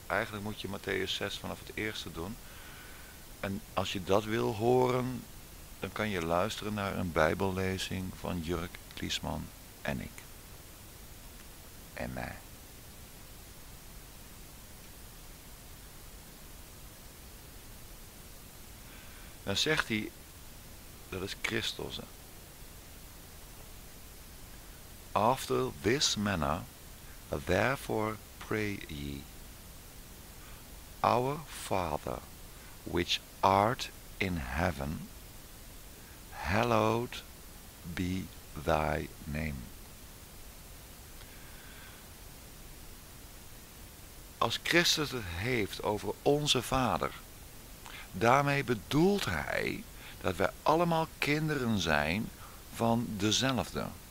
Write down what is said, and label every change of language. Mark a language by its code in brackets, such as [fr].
[nl] Eigenlijk moet je Matthäus 6 vanaf het eerste doen. En als je dat wil horen, dan kan je luisteren naar een Bijbellezing van Jurk Kliesman en ik. En mij. Dan zegt hij, dat is Christus. [en] After this manner, therefore pray ye, Our Father, which art in heaven, hallowed be thy name. [nl] Als Christus het heeft over onze Vader, daarmee bedoelt hij dat wij allemaal kinderen zijn van dezelfde.